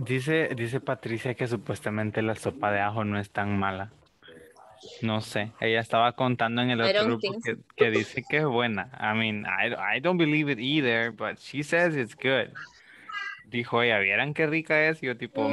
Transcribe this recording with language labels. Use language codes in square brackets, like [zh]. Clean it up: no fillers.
[es] Dice Patricia que supuestamente la sopa de ajo no es tan mala. No sé, ella estaba contando en el otro grupo que dice que es buena. [en] I mean, I don't believe it either, but she says it's good. [es] Dijo ella, ¿vieran qué rica es? Y yo tipo,